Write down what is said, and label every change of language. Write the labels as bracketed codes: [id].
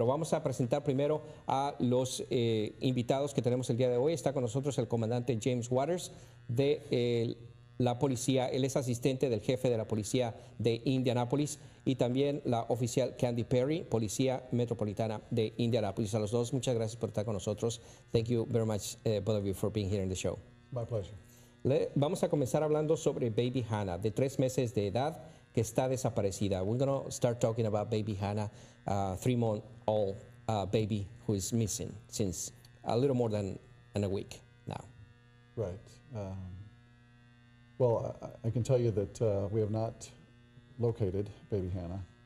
[es] Pero vamos a presentar primero a los invitados que tenemos el día de hoy. Está con nosotros el comandante James Waters de la policía. Él es asistente del jefe de la policía de Indianápolis, y también la oficial Candy Perry, policía metropolitana de Indianápolis. A los dos, muchas gracias por estar con nosotros. [en] Thank you very much, both of you, for being here in the show. My pleasure. [es] Vamos a comenzar hablando sobre baby Hannah, de 3 meses de edad, que está desaparecida. [en] We're going to start talking about baby Hannah, 3-month-old baby who is missing since a little more than a week now. Right. Well, I can tell you that we have not located baby Hannah.